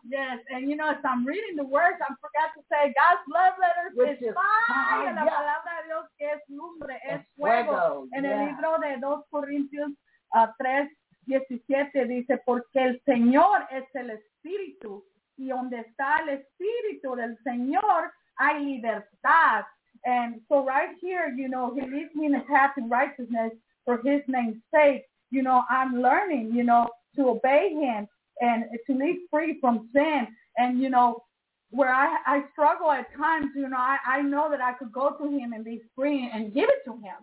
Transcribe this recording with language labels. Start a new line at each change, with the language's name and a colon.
English: Yes, and you know, as I'm reading the words, I forgot to say, God's love letter is fire, and
Spanish: la palabra de Dios es lumbre, es fuego. En el libro de 2 Corintios 3:17 dice, porque el Señor es el Espíritu, y donde está el Espíritu del Señor, hay libertad.
English: And so right here, you know, he leads me in the path of righteousness for his name's sake. You know, I'm learning, you know, to obey him. And to live free from sin. And, you know, where I struggle at times, you know, I know that I could go to him and be free and give it to him.